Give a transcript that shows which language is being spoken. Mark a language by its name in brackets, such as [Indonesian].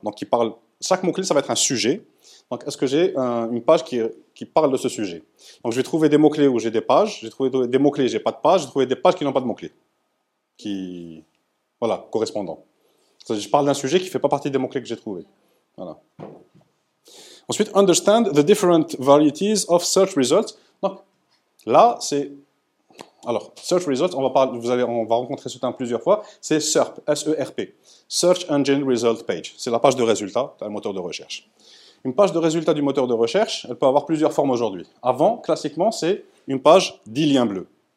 [French] Donc qui parlent, chaque mot-clé, ça va être un sujet. Donc est-ce que j'ai une page qui parle de ce sujet? Donc je vais trouver des mots-clés où j'ai des pages, j'ai trouvé des mots-clés, j'ai pas de pages, j'ai trouvé des pages qui n'ont pas de mots-clés. Voilà, correspondant. Je parle d'un sujet qui ne fait pas partie des mots-clés que j'ai trouvés. Voilà. Ensuite, [English] understand the different varieties of search results. [French] Donc, là, c'est... Alors, search results, on va rencontrer ce terme plusieurs fois. C'est SERP, S-E-R-P. Search Engine Result Page. C'est la page de résultat d'un moteur de recherche. Une page de résultat du moteur de recherche, elle peut avoir plusieurs formes aujourd'hui. Avant, classiquement, c'est une page 10 liens bleus.